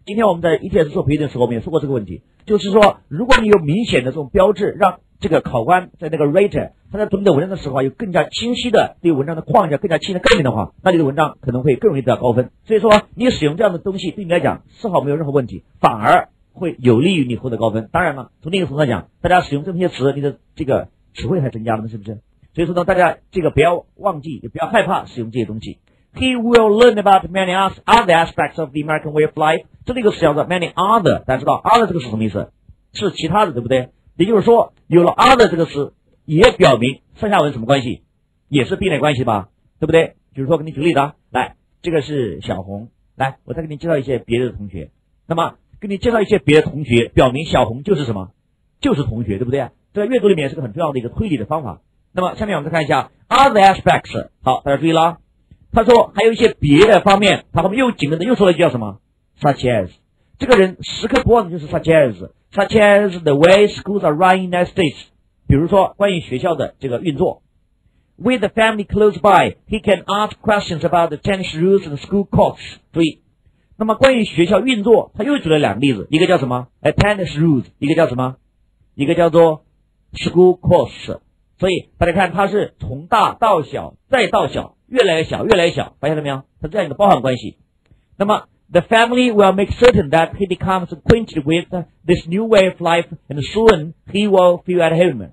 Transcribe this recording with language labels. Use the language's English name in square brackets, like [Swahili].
[Chinese] 今天我们在 ETS 做培训的时候，我们也说过这个问题，就是说如果你有明显的这种标志，让这个考官在那个 writer 他在读你的文章的时候有更加清晰的对文章的框架更加清晰的概念的话，那你的文章可能会更容易得到高分。所以说你使用这样的东西对你来讲丝毫没有任何问题，反而会有利于你获得高分。当然了，从另一个层面讲，大家使用这么些词，你的这个词汇还增加了呢，是不是？所以说呢，大家这个不要忘记，也不要害怕使用这些东西。 [English] He will learn about many other aspects of the American way of life。 [Chinese] 这里一个词叫做 many other， 大家知道 other 这个是什么意思？是其他的，对不对？也就是说有了 other 这个词，也表明上下文什么关系，也是并列关系吧，对不对？比如说给你举例子啊，来，这个是小红，来，我再给你介绍一些别的同学。那么给你介绍一些别的同学，表明小红就是什么？就是同学，对不对？这在阅读里面是个很重要的一个推理的方法。那么下面我们再看一下 other aspects。好，大家注意了，他说还有一些别的方面，他后面又紧跟着又说了一句叫什么？ [English] such as。 [Chinese] 这个人时刻不忘的就是 [English] such as。Such as the way schools are run in the United States， [Chinese] 比如说关于学校的这个运作。 [English] With the family close by, he can ask questions about the tennis rules and school courts。 [Chinese] 注意，那么关于学校运作，他又举了两个例子，一个叫什么？ tennis rules， 一个叫什么？一个叫做 school courts。所以大家看，他是从大到小，再到小，越来越小，越来越小，发现了没有？他这样一个包含关系。 [English] 那么The family will make certain that he becomes acquainted with this new way of life, and soon he will feel at home.